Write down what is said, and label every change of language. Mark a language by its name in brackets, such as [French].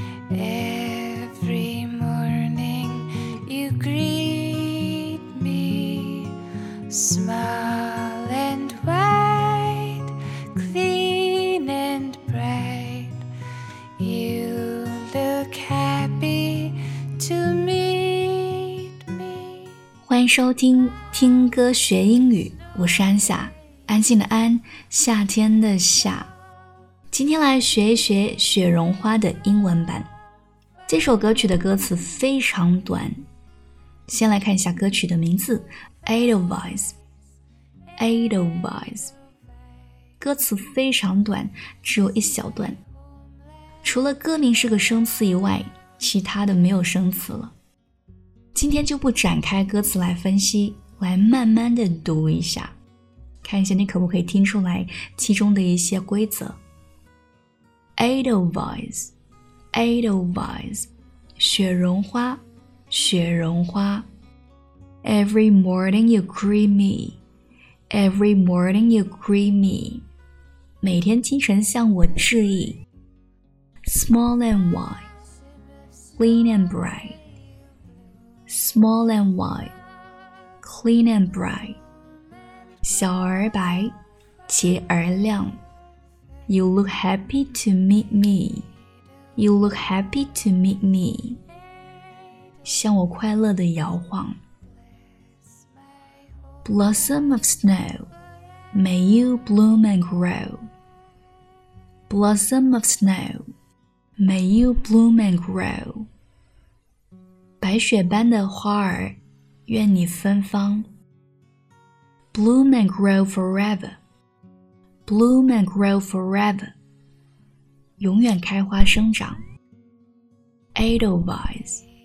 [English] Every morning you greet me, small and white, clean and bright. You look happy to meet me. [Chinese] 欢迎收听听歌学英语，我是安夏，安静的安，夏天的夏。今天来学一学雪绒花的英文版。这首歌曲的歌词非常短，先来看一下歌曲的名字 Edelweiss Edelweiss。歌词非常短，只有一小段，除了歌名是个生词以外，其他的没有生词了。今天就不展开歌词来分析，来慢慢的读一下，看一下你可不可以听出来其中的一些规则。 Edelweiss Edelweiss 雪绒花，雪绒花。 [English] Every morning you greet me Every morning you greet me [Chinese] 每天清晨向我致意。 [English] Small and white Clean and bright Small and white Clean and bright [Chinese] 小而白，洁而亮。 [English] You look happy to meet me. You look happy to meet me. [Chinese] 向我快乐地摇晃。 [English] Blossom of snow, may you bloom and grow. Blossom of snow, may you bloom and grow. [Chinese] 白雪般的花儿，愿你芬芳。 [English] Bloom and grow forever. Bloom and grow forever. [Chinese] 永远开花生长。Edelweiss.